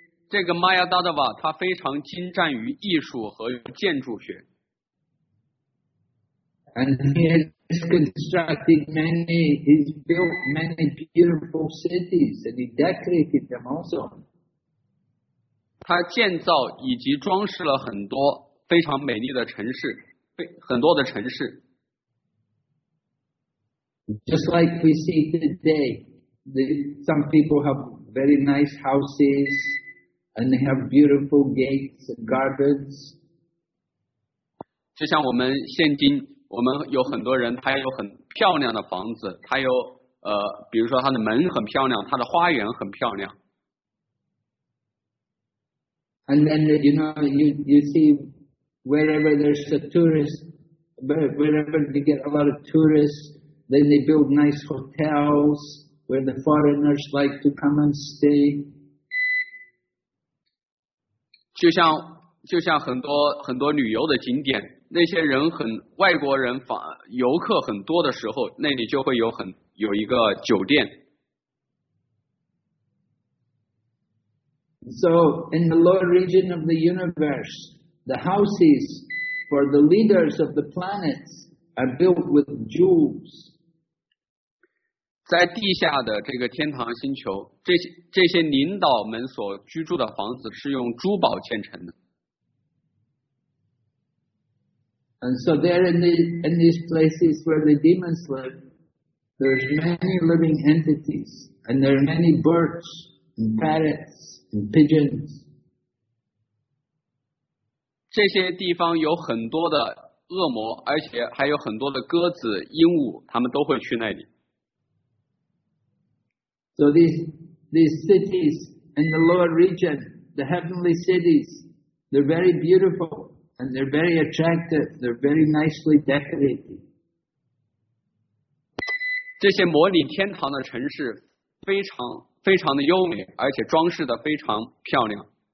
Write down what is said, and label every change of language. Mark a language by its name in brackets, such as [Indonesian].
[Chinese] 这个 Maya Danava 他非常精湛于艺术和建筑学。 [English] And he has constructed many, he's built many beautiful cities and he decorated them also. [Chinese] 他建造以及装饰了很多非常美丽的城市，很多的城市。 [English] Just like we see today, some people have very nice houses, and they have beautiful gates and gardens. [Chinese] 就像我们现今，我们有很多人，他有很漂亮的房子，他有比如说他的门很漂亮，他的花园很漂亮。 [English] And then you know, you see wherever there's a tourist, wherever you get a lot of tourists. Then they build nice hotels where the foreigners like to come and stay. [Chinese] 就像很多很多旅游的景点，那些人很外国人访游客很多的时候，那里就会有一个酒店。 [English] So in the lower region of the universe, the houses for the leaders of the planets are built with jewels. [Chinese] 在地下的这个天堂星球，这些领导们所居住的房子是用珠宝建成的。 [English] And so there in these places where the demons live, there's many living entities, and there are many birds and parrots and pigeons. [Chinese] 这些地方有很多的恶魔，而且还有很多的鸽子、鹦鹉，他们都会去那里。 [English] So these cities in the lower region, the heavenly cities, they're very beautiful and they're very attractive. They're very nicely decorated. [Chinese] 这些模拟天堂的城市非常非常的优美，而且装饰的非常漂亮。